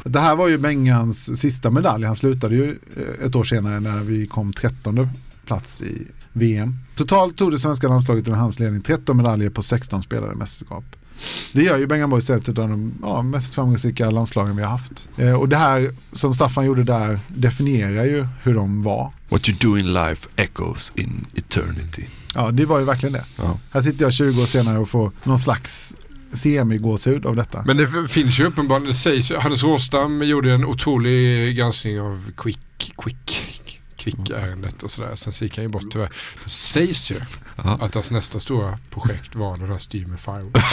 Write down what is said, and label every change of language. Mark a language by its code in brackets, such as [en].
[sv] Det här var ju Bengans sista medalj. Han slutade ju ett år senare när vi kom 13:e plats i VM. Totalt tog det svenska landslaget under hans ledning 13 medaljer på 16 spelade mästerskap. Det gör ju Bengan Borg istället utav de mest framgångsrika landslagen vi har haft. Och det här som Staffan gjorde där definierar ju hur de var. [en] What you do in life echoes in eternity. [sv] Ja, det var ju verkligen det. Ja. Här sitter jag 20 år senare och får någon slags semi-gåshud av detta. Men det finns ju uppenbarligen, det sägs, Hannes Råstam gjorde en otrolig granskning av Quick-ärendet och sådär. Sen gick han ju bort tyvärr. Det sägs ju att hans nästa stora projekt var den där Steam and Fire.